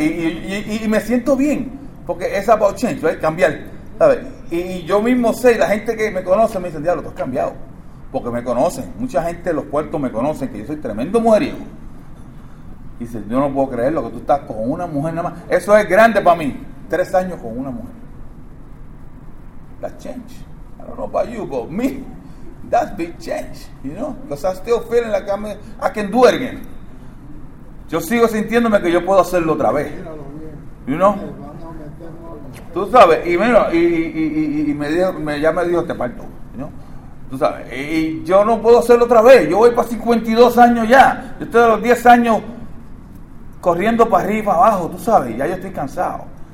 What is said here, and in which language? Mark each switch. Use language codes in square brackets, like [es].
[es] Y me siento bien, porque es [en] about change, [es] ¿verdad? Cambiar, ¿sabes? Y yo mismo sé, la gente que me conoce me dice, diablo, tú has cambiado. Porque me conocen. Mucha gente de los puertos me conocen, que yo soy tremendo mujeriego. Y dice, yo no puedo creerlo, que tú estás con una mujer nada más. Eso es grande para mí. 3 años con una mujer. [en] That change. I don't know about you, but me, that's big change, you know? Because I still feeling like I can do it again. [es] Yo sigo sintiéndome que yo puedo hacerlo otra vez. [en] You know? [es] Tú sabes, y mira, y me dijo, ya me dijo, te parto, [en] you know? [es] Tú sabes, y yo no puedo hacerlo otra vez. Yo voy para 52 años ya. Yo estoy a los 10 años corriendo para arriba y para abajo, tú sabes, ya yo estoy cansado.